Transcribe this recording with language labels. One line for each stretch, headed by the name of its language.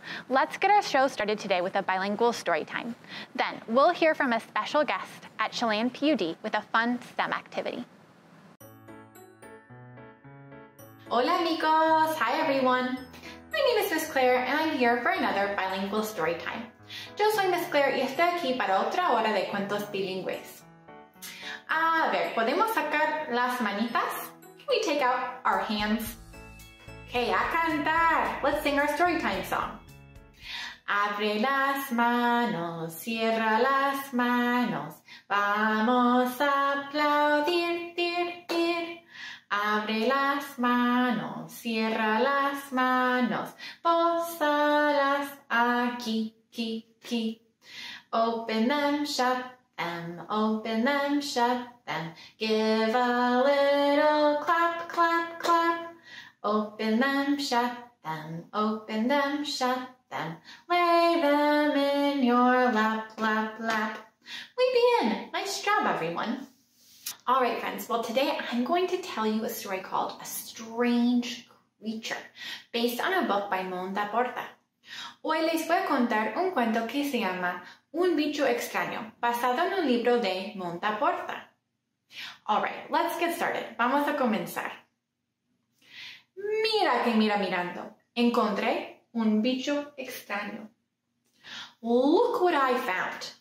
English: Let's get our show started today with a bilingual story time. Then we'll hear from a special guest at Chelan PUD with a fun STEM activity.
Spanish: Hola amigos,
English: hi everyone. My name is Ms. Clare and I'm here for another bilingual story time.
Spanish: Yo soy Ms. Clare y estoy aquí para otra hora de cuentos bilingües. A ver, ¿podemos sacar las manitas?
English: Can we take out our hands?
Spanish: Okay, a cantar.
English: Let's sing our story time song.
Spanish: Abre las manos, cierra las manos. Vamos a aplaudir, dir, dir. Abre las manos, cierra las manos. Pósalas aquí, aquí, aquí.
English: Open them, shut them, open them, shut them. Give a little clap, clap, clap. Open them, shut them, open them, shut them. Lay them in your lap, lap, lap. We begin. Nice job, everyone. All right, friends. Well, today I'm going to tell you a story called A Strange Creature, based on a book by Monda Porta.
Spanish: Hoy les voy a contar un cuento que se llama Un Bicho Extraño, basado en un libro de Monda Porta.
English: All right, let's get started.
Spanish: Vamos a comenzar. Mira que mira mirando. Encontré un bicho extraño.
English: Look what I found.